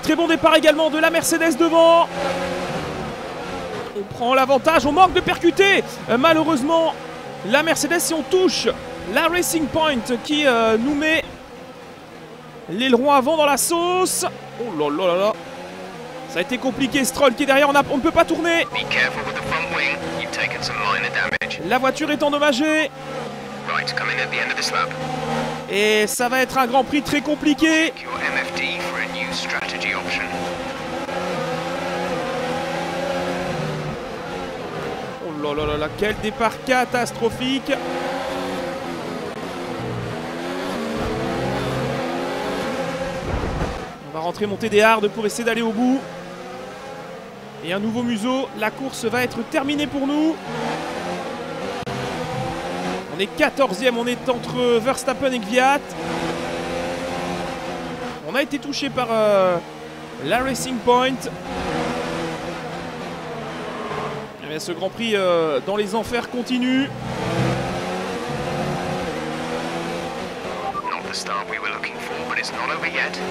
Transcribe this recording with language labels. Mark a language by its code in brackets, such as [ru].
[fr] Très bon départ également de la Mercedes devant. On prend l'avantage. On manque de percuter. Malheureusement, la Mercedes, si on touche la Racing Point qui nous met l'aileron avant dans la sauce. Oh là là là là. Ça a été compliqué. Stroll qui est derrière. On ne peut pas tourner. [en] Be careful with the front wing. You've taken some minor damage. [fr] La voiture est endommagée. [en] Right, coming at the end of this lap. [fr] Et ça va être un Grand Prix très compliqué. [en] Your MFD for a new strategy option. [fr] Oh là là là là, quel départ catastrophique. On va rentrer monter des hardes pour essayer d'aller au bout. Et un nouveau museau, la course va être terminée pour nous. On est 14ème, on est entre Verstappen et Kvyat. On a été touché par la Racing Point. Et bien ce Grand Prix dans les enfers continue. [en] Not the start we were looking for, but it's not over yet.